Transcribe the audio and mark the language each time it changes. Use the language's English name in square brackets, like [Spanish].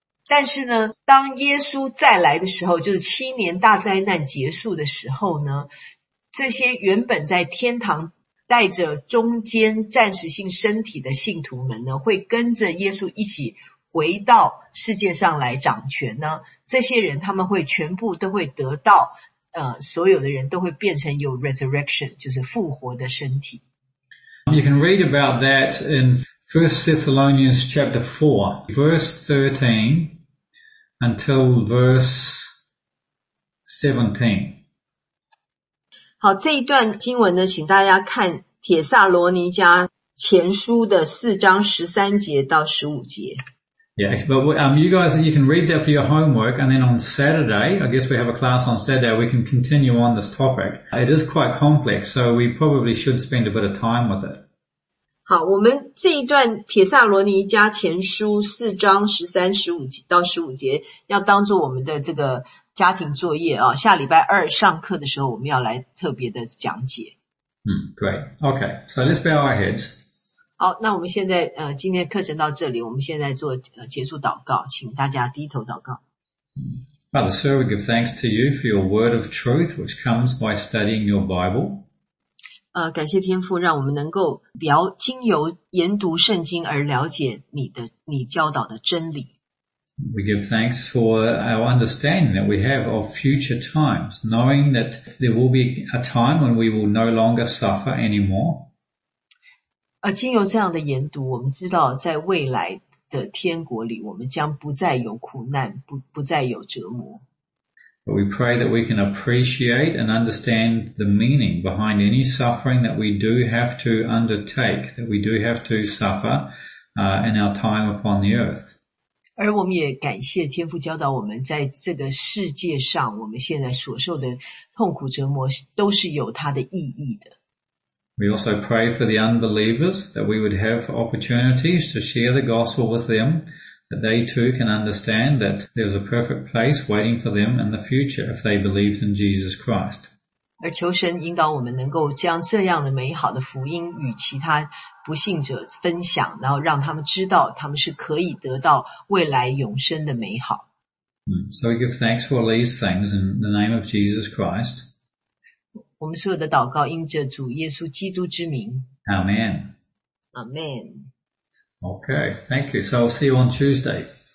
[Chinese] 但是呢，当耶稣再来的时候，就是七年大灾难结束的时候呢，这些原本在天堂带着中间暂时性身体的信徒们呢，会跟着耶稣一起回到世界上来掌权呢，这些人他们会全部都会得到所有的人都会变成有 resurrection， 就是复活的身体。 [English] You can read about that in 1 Thessalonians chapter 4, verse 13 until verse 17. [Chinese] 好，这一段经文呢，请大家看帖撒罗尼迦前书的四章十三节到十五节。 [English] Yeah, but you can read that for your homework, and then on Saturday, I guess we have a class on Saturday, we can continue on this topic. It is quite complex, so we probably should spend a bit of time with it. [Chinese] 好，我们这一段帖撒罗尼迦前书四章十三十五节到十五节要当作我们的这个家庭作业啊，下礼拜二上课的时候我们要来特别的讲解。 [English] Great. Okay, so let's bow our heads. [Chinese] 好，那我们现在今天课程到这里，我们现在做结束祷告，请大家低头祷告。 [English] Father, sir, we give thanks to you for your word of truth, which comes by studying your Bible. [Chinese] 感谢天父，让我们能够经由研读圣经而了解你教导的真理。 [English] We give thanks for our understanding that we have of future times, knowing that there will be a time when we will no longer suffer anymore. [Chinese] 经由这样的研读，我们知道在未来的天国里，我们将不再有苦难，不再有折磨。 [English] But we pray that we can appreciate and understand the meaning behind any suffering that we do have to undertake, that we do have to suffer, in our time upon the earth. [Chinese] 而我们也感谢天父教导我们在这个世界上我们现在所受的痛苦折磨都是有它的意义的。 [English] We also pray for the unbelievers that we would have opportunities to share the gospel with them. That they too can understand that there is a perfect place waiting for them in the future if they believe in Jesus Christ. [Chinese] 而求神引导我们能够将这样的美好的福音与其他不信者分享，然后让他们知道他们是可以得到未来永生的美好。 [English] So we give thanks for these things in the name of Jesus Christ. [Chinese] 我们所有的祷告因着主耶稣基督之名。 [English] Amen. Amen. Okay, thank you. So I'll see you on Tuesday.